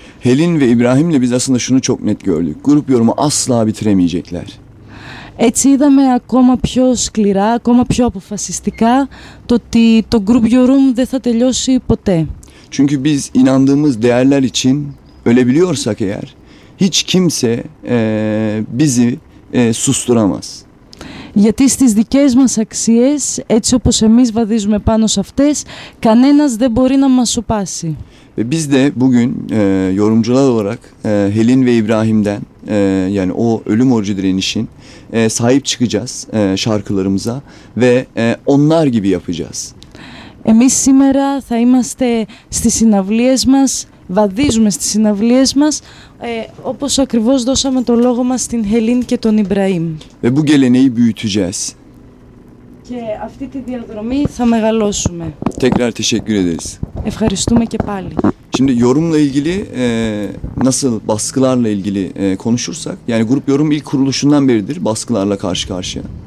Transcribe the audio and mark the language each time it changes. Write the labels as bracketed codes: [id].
[tr] Helin ve İbrahim'le biz aslında şunu çok net gördük. Grup yorumu asla bitiremeyecekler. [el] Έτσι είδαμε ακόμα πιο σκληρά, ακόμα πιο αποφασιστικά το ότι το group yorum δεν θα τελειώσει ποτέ. [tr] Çünkü biz inandığımız değerler için ölebiliyorsak eğer hiç kimse bizi susturamaz. [el] Γιατί στις δικές μας αξίες, έτσι όπως εμείς βαδίζουμε πάνω σε αυτές, κανένας δεν μπορεί να μας σωπάσει. [tr] Biz de bugün yorumcular olarak Helin ve İbrahim'den yani o ölüm orucu direnişin sahip çıkacağız şarkılarımıza ve onlar gibi yapacağız. [el] Εμείς σήμερα θα είμαστε στις συναυλίες μας, βαδίζουμε στις συναυλίες μας, όπως ακριβώς δώσαμε το λόγο μας στην Helin και τον Ibrahim. [tr] Ve bu geleneği büyüteceğiz. [el] Και αυτή τη διαδρομή θα μεγαλώσουμε. [tr] Tekrar teşekkür ederiz. [el] Ευχαριστούμε και πάλι. [tr] Şimdi yorumla ilgili nasıl baskılarla ilgili konuşursak, yani grup yorum ilk kuruluşundan beridir baskılarla karşı karşıya.